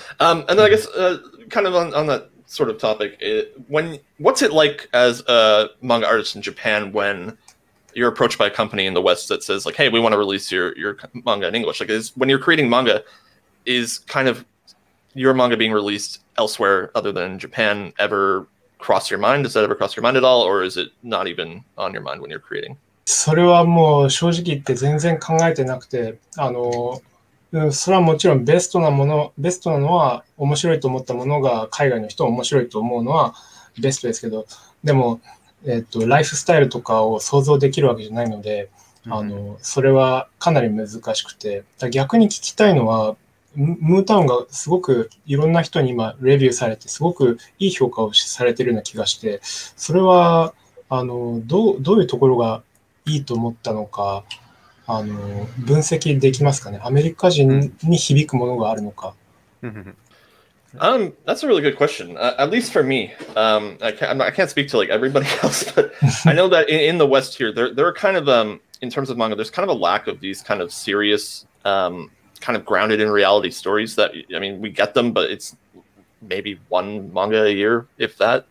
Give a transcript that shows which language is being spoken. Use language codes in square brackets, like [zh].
[en] And then I guess kind of on thatsort of topic, what's it like as a manga artist in Japan when you're approached by a company in the West that says like, hey, we want to release your manga in English? Like, is when you're creating manga, is kind of your manga being released elsewhere other than Japan ever cross your mind? Does that ever cross your mind at all? Or is it not even on your mind when you're creating? [ja] それはもう正直言って全然考えてなくて、それはもちろんベストなもの、ベストなのは面白いと思ったものが海外の人面白いと思うのはベストですけど、でも、ライフスタイルとかを想像できるわけじゃないので、それはかなり難しくて、逆に聞きたいのは、ムータウンがすごくいろんな人に今レビューされて、すごくいい評価をされてるような気がして、それは、どういうところがいいと思ったのか、分析できますかね。アメリカ人に響くものがあるのか。 [en] That's a really good question. At least for me, I can't speak to like everybody else, but I know that in the West here, there are kind of in terms of manga, there's kind of a lack of these kind of serious, kind of grounded in reality stories. That I mean, we get them, but it's maybe one manga a year, if that.